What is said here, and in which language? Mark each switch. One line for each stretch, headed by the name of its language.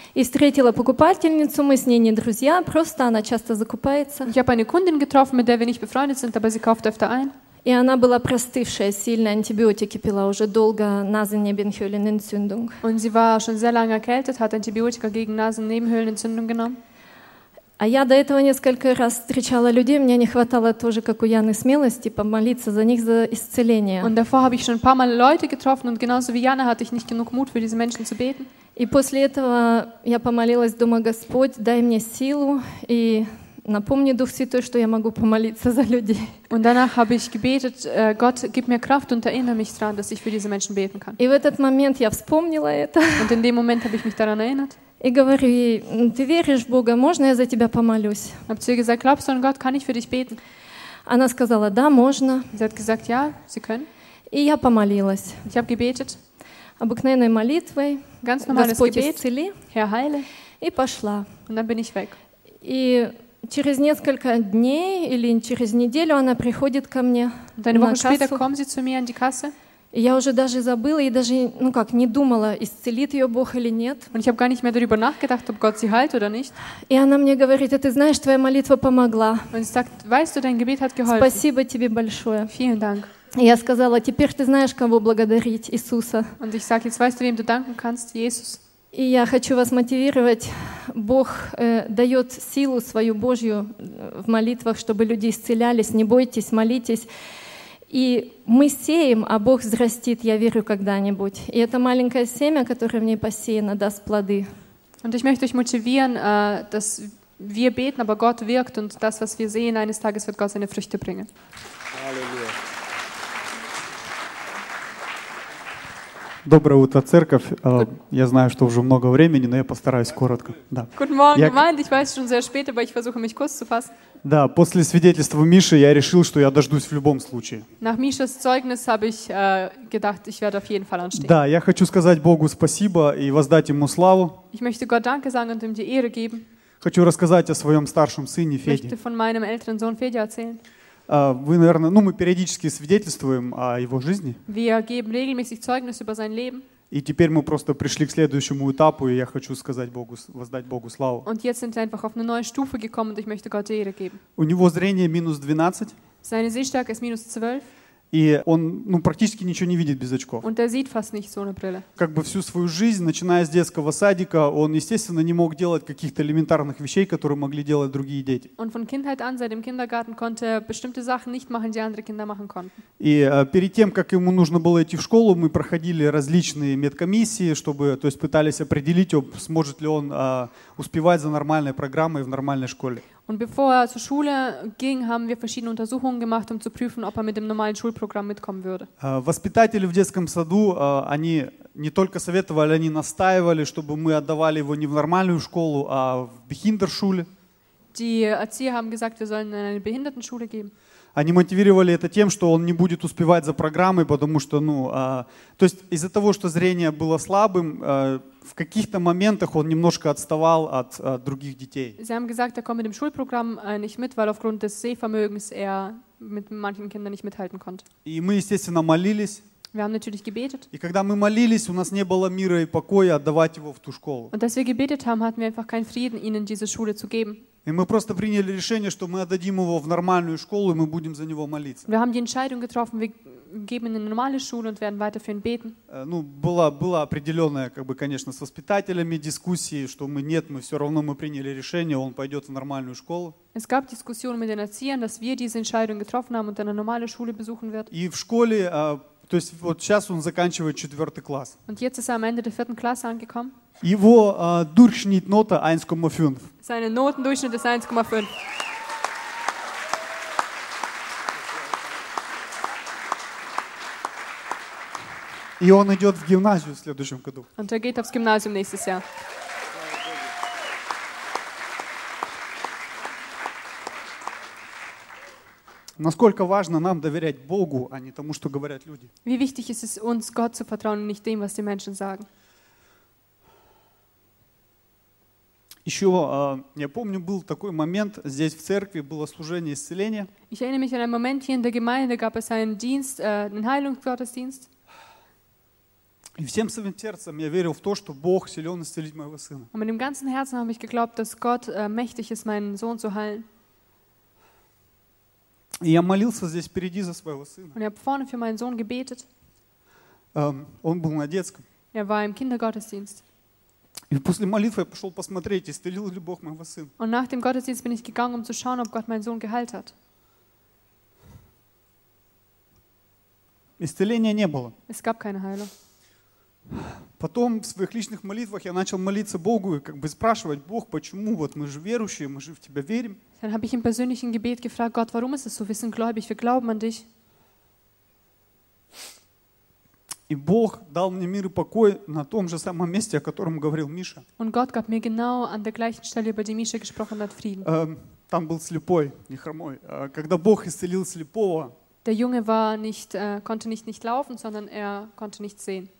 Russian: И встретила покупательницу, мы с ней не друзья, просто она часто закупается.
German: Ich habe eine Kundin getroffen, mit der wir nicht befreundet sind, aber sie kauft öfter ein.
Russian: И она была простывшая, сильная, антибиотики пила уже долго, Nasennebenhöhlenentzündung.
German: Und sie war schon sehr lange erkältet, hat Antibiotika gegen Nasennebenhöhlenentzündung genommen.
Russian: А я до этого несколько раз встречала людей, мне не хватало тоже, как у Яны, смелости помолиться за них за исцеление.
German: Und davor habe ich schon ein paar Mal Leute getroffen und genauso wie Jana hatte ich nicht genug Mut für diese Menschen zu beten.
Russian: И после этого я помолилась, думаю, Господь, дай мне силу и напомни Дух Святой, что я могу помолиться за людей.
German: Und danach habe ich gebetet, Gott, gib mir Kraft und erinnere mich daran, dass ich für diese Menschen beten kann.
Russian: И в этот момент я вспомнила это.
German: Und in dem Moment habe ich mich daran erinnert.
Russian: И говорю ей, ты веришь в Бога, можно я за тебя помолюсь?
German: Hab zu ihr gesagt, glaubst du an Gott, kann ich für dich beten?
Russian: Она сказала, да, можно.
German: Sie hat gesagt, ja, sie können.
Russian: И я помолилась.
German: Ich habe gebetet.
Russian: Обыкновенной молитвой.
German: Ganz normales Gebet.
Russian: Господь исцели.
German: Herr, heile.
Russian: И пошла.
German: Und dann bin ich weg.
Russian: И через несколько дней или через неделю она приходит ко мне
German: und eine Woche später kommt sie zu mir an die Kasse.
Russian: Я уже даже забыла и даже, ну как, не думала, исцелит ее Бог или нет.
German: Und ich habe gar nicht mehr darüber nachgedacht, ob Gott sie heilt oder nicht.
Russian: И она мне говорит, ты знаешь, твоя молитва помогла.
German: Und sie sagt, weißt du, dein Gebet hat geholfen.
Russian: Спасибо тебе большое.
German: Vielen Dank.
Russian: И я сказала, теперь ты знаешь, кого благодарить, Иисуса.
German: Und ich sage, jetzt weißt du, wem du danken kannst, Jesus.
Russian: И я хочу вас мотивировать. Бог дает силу свою Божью в молитвах, чтобы люди исцелялись. Не бойтесь, молитесь. И мы сеем, а Бог взрастит, я верю, когда-нибудь. И это маленькое семя, которое в ней посеяно, даст плоды.
German: Und ich möchte euch motivieren, dass wir beten, aber Gott wirkt und das, was wir sehen, eines Tages wird Gott seine Früchte bringen. Halleluja.
Russian: Доброе утро, церковь. Я знаю, что уже много времени, но я постараюсь коротко. Да.
German: Guten Morgen, Gemeinde. Ich weiß, schon sehr spät, aber ich versuche, mich kurz zu fassen.
Russian: Да, после свидетельства Миши я решил, что я дождусь в любом случае.
German: Nach Mischas Zeugnis habe ich gedacht, ich werde auf jeden Fall anstehen.
Russian: Да, я хочу сказать Богу спасибо и воздать ему славу.
German: Ich möchte Gott Danke sagen und ihm die Ehre geben.
Russian: Хочу рассказать о своем старшем сыне Феде.
German: Ich möchte von meinem älteren Sohn Fedja erzählen.
Russian: Вы, наверное, ну, мы периодически свидетельствуем о его жизни.
German: Wir geben regelmäßig Zeugnis über sein Leben.
Russian: И теперь мы просто пришли к следующему этапу, и я хочу сказать Богу, воздать Богу славу.
German: Und jetzt sind wir einfach auf eine neue Stufe gekommen, und ich möchte Gott Ehre geben.
Russian: У него зрение минус 12.
German: Seine Sehstärke ist minus 12.
Russian: И он, ну, практически ничего не видит без очков.
German: Und er sieht fast nichts ohne Brille.
Russian: Как бы всю свою жизнь, начиная с детского садика, он, естественно, не мог делать каких-то элементарных вещей, которые могли делать другие дети.
German: Und von Kindheit an, seit dem Kindergarten, konnte er bestimmte Sachen nicht machen, die andere Kinder machen konnten.
Russian: И перед тем, как ему нужно было идти в школу, мы проходили различные медкомиссии, чтобы, то есть, пытались определить, ob, сможет ли он успевать за нормальной программой в нормальной школе.
German: Und bevor er zur Schule ging, haben wir verschiedene Untersuchungen gemacht, um zu prüfen, ob er mit dem normalen Schulprogramm mitkommen würde.
Russian: Воспитатели в детском саду, они не только советовали, они настаивали, чтобы мы отдавали его не в нормальную школу, а в Behindertenschule.
German: Die Erzieher haben gesagt, wir sollen in eine Behindertenschule geben.
Russian: Они мотивировали это тем, что он не будет успевать за программой, потому что, ну, то есть из-за того, что зрение было слабым, в каких-то моментах он немножко отставал от других детей.
German: Sie haben gesagt, er kommt mit dem Schulprogramm nicht mit, weil aufgrund des Sehvermögens er mit manchen Kindern nicht mithalten konnte.
Russian: И мы, естественно, молились.
German: Wir haben natürlich gebetet.
Russian: И когда мы молились, у нас не было мира и покоя отдавать его в ту школу.
German: Und als wir gebetet haben, hatten wir einfach keinen Frieden, ihn in diese Schule zu geben.
Russian: И мы просто приняли решение, что мы отдадим его в нормальную школу, и мы будем за него молиться.
German: Wir haben die Entscheidung getroffen, wir geben ihn in eine normale Schule und werden weiter für ihn beten.
Russian: Ну, была определенная, как бы, конечно, с воспитателями дискуссии, что мы нет, мы все равно мы приняли решение, он пойдет в нормальную школу.
German: Es gab Diskussionen mit den Erziehern, dass wir diese Entscheidung getroffen haben und eine normale Schule besuchen wird.
Russian: И в школе, то есть вот сейчас он заканчивает четвертый класс.
German: Und jetzt ist er am Ende der vierten Klasse angekommen.
Russian: Его Durchschnittnote 1,5.
German: Seine Notendurchschnitt ist 1,5.
Russian: И он идет в гимназию в следующем году.
German: Und er geht aufs Gymnasium nächstes Jahr.
Russian: Насколько важно нам доверять Богу, а не тому, что говорят люди.
German: Wie wichtig ist es uns, Gott zu vertrauen, nicht dem, was die Menschen sagen.
Russian: Еще, я помню, был такой момент, здесь в церкви было служение исцеления.
German: Ich erinnere mich an einen Moment, hier in der Gemeinde gab es einen Dienst, einen Heilungsgottesdienst.
Russian: И всем своим сердцем я верил в то, что Бог силен исцелить моего сына.
German: Und mit dem ganzen Herzen habe ich geglaubt, dass Gott mächtig ist, meinen Sohn zu heilen.
Russian: И я молился здесь впереди за своего сына.
German: Und ich habe vorne für meinen Sohn gebetet.
Russian: Он был на детском.
German: Er war im Kindergottesdienst.
Russian: И после молитвы я пошел посмотреть, исцелил ли Бог моего сына.
German: Und nach dem Gottesdienst bin ich gegangen, um zu schauen, ob Gott meinen Sohn geheilt hat.
Russian: Исцеления не было.
German: Es gab keine Heilung.
Russian: Потом в своих личных молитвах я начал молиться Богу и как бы спрашивать: Бог, почему? Вот мы же верующие, мы же в Тебя верим.
German: Dann habe ich im persönlichen Gebet gefragt: Gott, warum ist es so? Wir sind gläubig, wir glauben an dich.
Russian: И Бог дал мне мир и покой на том же самом месте, о котором говорил Миша.
German: Und Gott gab mir genau an der gleichen Stelle, über die Misha gesprochen hat, Frieden.
Russian: Там был слепой, не хромой. Когда Бог исцелил слепого.
German: Der Junge war nicht, konnte nicht laufen, sondern er konnte nicht sehen.